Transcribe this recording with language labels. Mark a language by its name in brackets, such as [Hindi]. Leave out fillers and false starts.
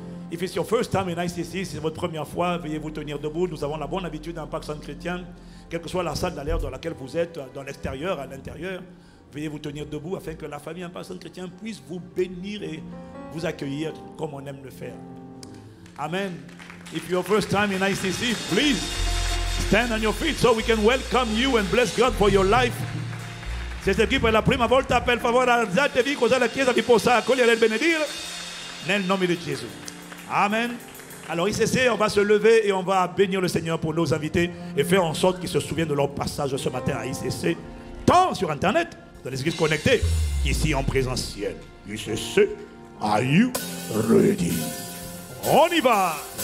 [English] If it's your first time in ICC, [French] si c'est votre première fois, veuillez vous tenir debout. Nous avons la bonne habitude à Impact Centre Chrétien, quelle que soit la salle d'alerte dans laquelle vous êtes, dans l'extérieur, à l'intérieur, veuillez vous tenir debout afin que la famille Impact Centre Chrétien puisse vous bénir et vous accueillir comme on aime le faire. Amen. [English] If your first time in ICC, please stand on your feet so we can welcome you and bless God for your life. [Italian] Se sei qui per la prima volta, per favore alzatevi, cosa la chiesa vi possa accogliere e benedire nel nome di Gesù. Amen. [French] Alors ICC, on va se lever et on va bénir le Seigneur pour nos invités et faire en sorte qu'ils se souviennent de leur passage ce matin à ICC, tant sur Internet, dans les églises connectées, qu'ici en présentiel. [English] ICC, are you ready? [French] On y va.